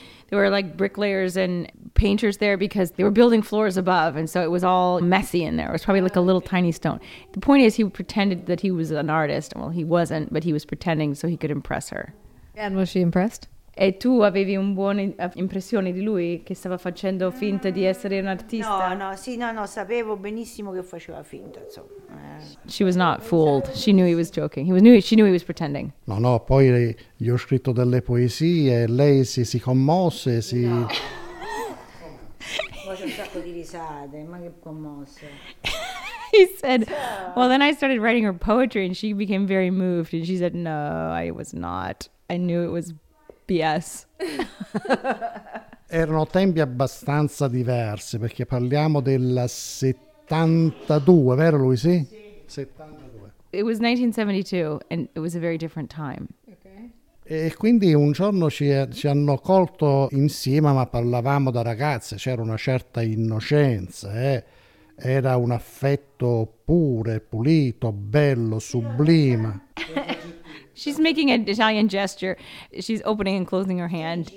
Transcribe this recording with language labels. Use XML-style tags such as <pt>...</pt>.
<en>There were like bricklayers and painters there because they were building floors above, and so it was all messy in there. It was probably like a little tiny stone. The point is, he pretended that he was an artist. Well, he wasn't, but he was pretending so he could impress her. And was she impressed?</en> <it>E tu avevi un buona impressione di lui che stava facendo finta di essere un artista? No, sapevo benissimo che faceva finta, insomma.</it> <en>She was not fooled. She knew he was joking. She knew he was pretending.</en> <it>No, poi gli ho scritto delle poesie e lei si commosse, si no. Poi c'è un sacco di risate, ma che commosse.</it> <en>He said, "Well, then I started writing her poetry and she became very moved and she said, 'No, I was not. I knew it was BS.'"</en> <it>Erano tempi abbastanza diversi perché parliamo della 72, vero Luisi? Sì. 72.</it> <en>It was 1972 and it was a very different time. Okay.</en> <it>E quindi un giorno ci hanno colto insieme, ma parlavamo da ragazze, c'era una certa innocenza, era un affetto pure, pulito, bello, sublime.</it> <en>She's making an Italian gesture. She's opening and closing her hand.</en>